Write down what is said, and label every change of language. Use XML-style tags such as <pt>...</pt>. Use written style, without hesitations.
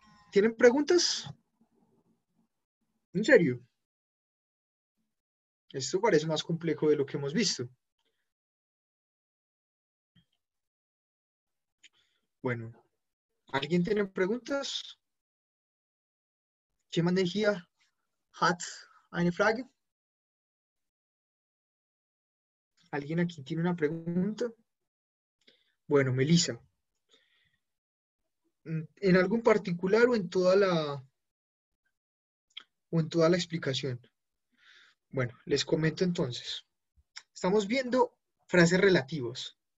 <es>¿Tienen preguntas? ¿En serio? Esto parece más complejo de lo que hemos visto. Bueno, ¿alguien tiene preguntas?</es> <de>¿Jemand hier hat eine Frage?</de> <es>¿Alguien aquí tiene una pregunta? Bueno, Melissa. ¿En algún particular o en toda la explicación? Bueno, les comento entonces. Estamos viendo frases relativas.</es>